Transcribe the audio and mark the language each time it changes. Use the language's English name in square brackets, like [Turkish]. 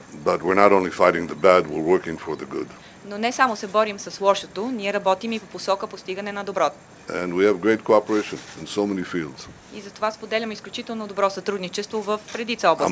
[English] But we're not only fighting the bad, we're working for the good. [Bulgarian] Но не само се борим с лошото, ние работим и по посока постигане на доброто. [English] And we have great cooperation in so many fields. [Bulgarian] И затова споделяме изключително добро сътрудничество в редица области.